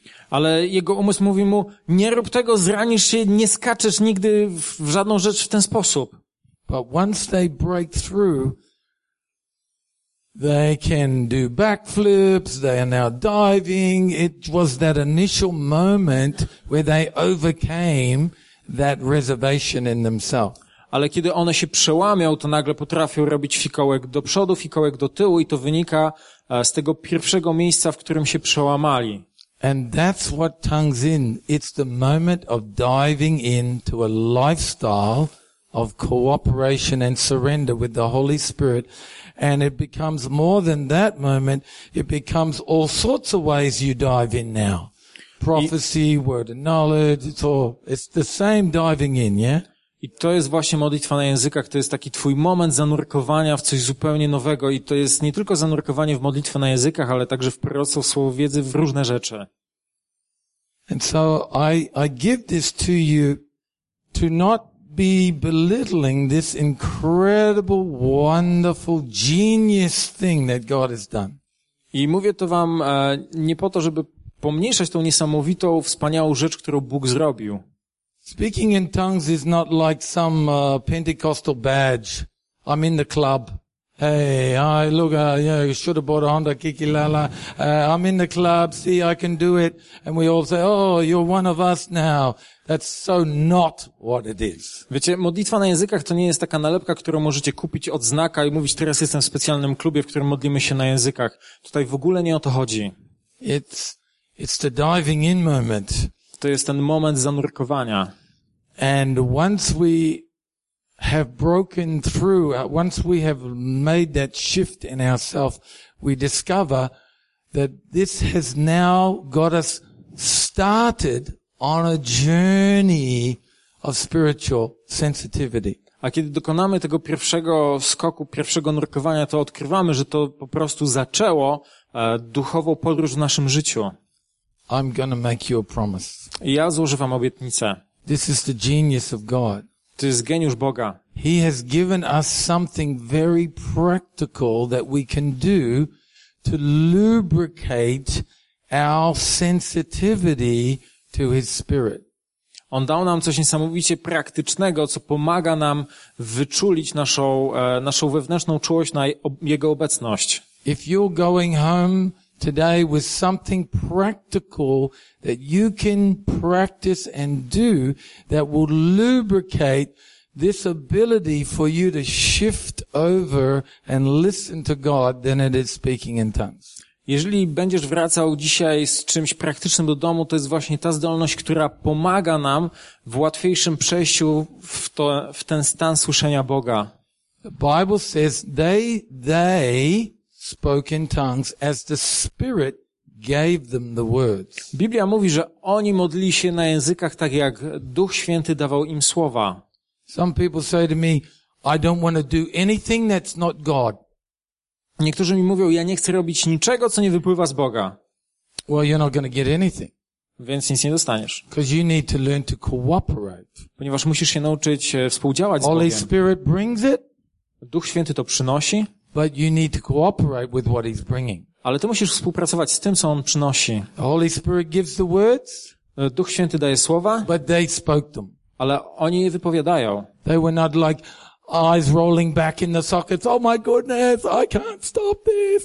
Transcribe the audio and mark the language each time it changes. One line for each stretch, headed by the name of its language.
Polish: Ale jego umysł mówi mu, nie rób tego, zranisz się, nie skaczesz nigdy w żadną rzecz w ten sposób.
English: But once they break through, they can do backflips, they are now diving. It was that initial moment where they overcame that reservation in themselves.
Polish: Ale kiedy one się przełamią, to nagle potrafią robić fikołek do przodu, fikołek do tyłu i to wynika z tego pierwszego miejsca, w którym się przełamali.
English: And that's what tongues in. It's the moment of diving into a lifestyle of cooperation and surrender with the Holy Spirit. And it becomes more than that moment. It becomes all sorts of ways you dive in now. Prophecy, word of knowledge, it's the same diving in, yeah?
Polish: I to jest właśnie modlitwa na językach, to jest taki twój moment zanurkowania w coś zupełnie nowego i to jest nie tylko zanurkowanie w modlitwę na językach, ale także w proroctwo, w słowo wiedzy, w różne rzeczy.
English: And so I give this to you to not be belittling this incredible, wonderful, genius thing that God has done.
Polish: I mówię to wam nie po to, żeby pomniejszać tą niesamowitą, wspaniałą rzecz, którą Bóg zrobił.
English: Speaking in tongues is not like some Pentecostal badge. I'm in the club. Hey, I look, yeah, you should have bought a Honda Kiki Lala. I'm in the club, see, I can do it. And we all say, oh, you're one of us now. That's so not what it is.
Polish: Wiecie, modlitwa na językach to nie jest taka nalepka, którą możecie kupić od znaka i mówić, teraz jestem w specjalnym klubie, w którym modlimy się na językach. Tutaj w ogóle nie o to chodzi.
English: It's the diving in moment.
Polish: To jest ten moment zanurkowania.
English: And once we have broken through, once we have made that shift in ourselves, we discover that this has now got us started on a journey of spiritual sensitivity.
Polish: A kiedy dokonamy tego pierwszego skoku, pierwszego nurkowania, to odkrywamy, że to po prostu zaczęło duchową podróż w naszym życiu.
English: I'm gonna make you a promise.
Polish: Ja złożę wam obietnicę.
English: This is the genius of God.
Polish: To jest geniusz Boga.
English: He has given us something very practical that we can do to lubricate our sensitivity to his spirit.
Polish: On dał nam coś niesamowicie praktycznego, co pomaga nam wyczulić naszą wewnętrzną czułość na jego obecność.
English: If you're going home today with something practical that you can practice and do that will lubricate this ability for you to shift over and listen to God, then it is speaking in tongues.
Polish: Jeżeli będziesz wracał dzisiaj z czymś praktycznym do domu, to jest właśnie ta zdolność, która pomaga nam w łatwiejszym przejściu w ten stan słyszenia Boga.
English: The Bible says they spoke in tongues as the Spirit gave them the words.
Polish: Biblia mówi, że oni modli się na językach tak jak Duch Święty dawał im słowa.
English: Some people say to me, I don't want to do anything that's not God.
Polish: Niektórzy mi mówią, ja nie chcę robić niczego, co nie wypływa z Boga.
English: Well, you're not going to get anything.
Polish: Więc nic nie dostaniesz.
English: Because you need to learn to cooperate.
Polish: Ponieważ musisz się nauczyć współdziałać z
English: Holy
Polish: Bogiem.
English: Holy Spirit brings it.
Polish: Duch Święty to przynosi.
English: But you need to cooperate with what he's bringing.
Polish: Ale ty musisz współpracować z tym, co on przynosi.
English: The Holy Spirit gives the words.
Polish: Duch Święty daje słowa.
English: But they spoke them.
Polish: Ale oni je wypowiadają.
English: They were not like eyes rolling back in the sockets. Oh my goodness, I can't stop this.